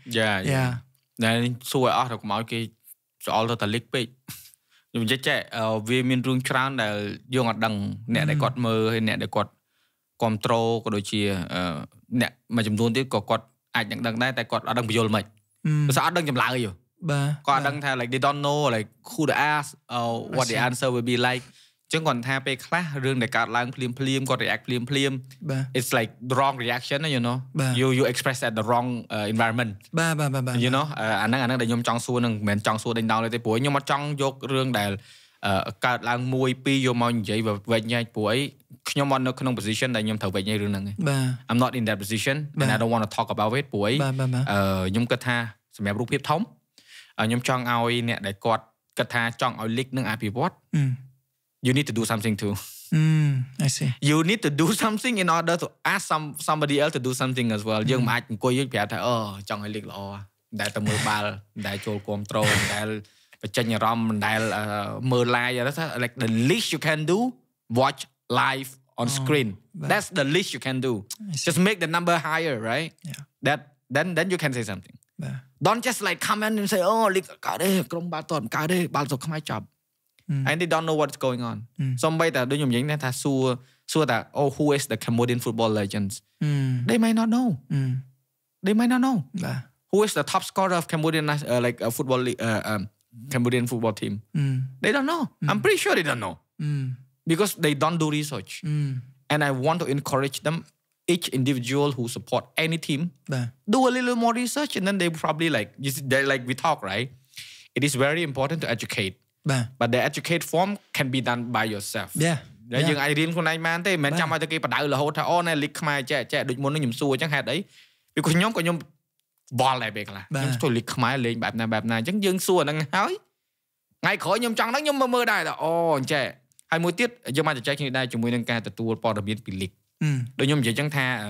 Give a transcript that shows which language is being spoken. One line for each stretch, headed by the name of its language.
Khmer: យ៉ាយ៉ាណែសួរឲ្យអស់ទៅកុំឲ្យគេស្អល់ទៅតែលិចពេកខ្ញុំនិយាយចែកវាមានរឿងច្រើនដែលយើងអត់ដឹងអ្នកដែលគាត់មើលហើយអ្នកដែលគាត់គ្រប់គ្រងក៏ដូចជាអ្នកមួយចំនួនទៀតក៏គាត់អាចនឹងដឹងដែរតែគាត់អត់ដឹងពយល់ហ្មង បើ ស្អត់ដឹងចម្លើយ បា ទគាត់អត់ដឹងថា
English: like they don't know like who to ask what the answer will be like
Khmer: អញ្ចឹងគាត់ថាពេលខ្លះរឿងដែលកើតឡើងភ្លាមភ្លាមគាត់ react ភ្លាមភ្លាម បា
English: ទ it's like the wrong reaction you know you express at the wrong environment
Khmer: បាទបាទបាទបា ទ
English: you know
Khmer: អានឹងដែលខ្ញុំចង់សួរនឹងមិនមែនចង់សួរដេញដោលទេព្រោះខ្ញុំអត់ចង់យករឿងដែលកើតឡើង1 2យកមកនិយាយវិញ្ញាណពួកអីខ្ញុំអត់នៅក្នុង position ដែលខ្ញុំត្រូវវិញ្ញាណរឿងហ្នឹងទេ បា
English: ទ I'm not in that position and I don't want to talk about it
Khmer: ពួកអី បាទបាទ ខ្ញុំគិតថាសម្រាប់រូបភាពធំខ្ញុំចង់ឲ្យអ្នកដែលគាត់គិតថាចង់ឲ្យលីកនឹងអភិវឌ្ឍ
English: you need to do something too I see you need to do something in order to ask somebody else to do something as well
Khmer: យើងមិនអាចអង្គុយយើងប្រាប់ថាអូចង់ឲ្យលីកល្អដែលតែមើលបាល់ដែលចូលគ្រប់ត្រូលដែលបញ្ចេញអារម្មណ៍ដែលមើលឡាយអីថា
English: like the least you can do watch live on screen that's the least you can do just make the number higher right yeah then you can say something don't just like come in and say
Khmer: អូលីកកើតទេក្រុមបាល់តាត់កើតទេបាល់សុខខ្មែរចាប់
English: And they don't know what's going on. Somebody that do you mean that so that oh who is the Cambodian football legends? They might not know. They might not know. Yeah. Who is the top scorer of Cambodian like a football league, Cambodian football team? They don't know. I'm pretty sure they don't know. Because they don't do research. And I want to encourage them each individual who support any team do a little more research and then they probably like you see, they like we talk right? It is very important to educate. Yeah. But the educate form can be done by yourself. Yeah.
Khmer: ដែលយើងអាចរៀនខ្លួនឯងបានទេមិនមែនចាំឲ្យទៅគេបដៅរហូតថាអូនេះលីកខ្មែរចែកចែកដូចមុនខ្ញុំសួរអញ្ចឹងហេតុអីពីខ្ញុំក៏ខ្ញុំបល់ដែរពេលខ្លះខ្ញុំចូលលីកខ្មែរលេងបែបណាបែបណាអញ្ចឹងយើងសួរហ្នឹងហើយថ្ងៃក្រោយខ្ញុំចង់ហ្នឹងខ្ញុំមើលដែរថាអូអញ្ចឹងហើយមួយទៀតយើងបានចែកគ្នាដែរជាមួយនឹងការទទួលព័ត៌មានពីលីកដូចខ្ញុំនិយាយអញ្ចឹងថា